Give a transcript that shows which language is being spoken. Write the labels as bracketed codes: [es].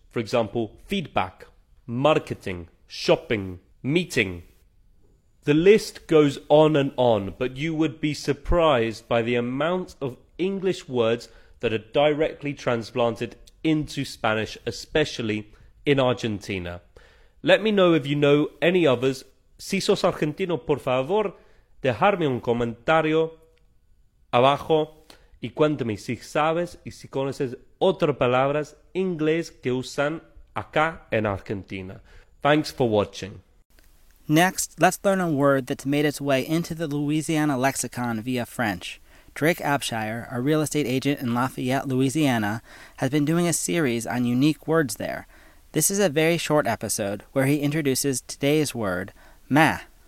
[en] For example, feedback, marketing, shopping, meeting. The list goes on, but you would be surprised by the amount of English words that are directly transplanted into Spanish, especially in Argentina. Let me know if you know any others. [es] Si sos argentino, por favor, dejarme un comentario abajo y cuéntame si sabes y si conoces otras palabras inglés que usan acá en Argentina. [en] Thanks for watching. Next, let's learn a word that's made its way into the Louisiana lexicon via French. Drake Abshire, a real estate agent in Lafayette, Louisiana, has been doing a series on unique words there. This is a very short episode where he introduces today's word, meh.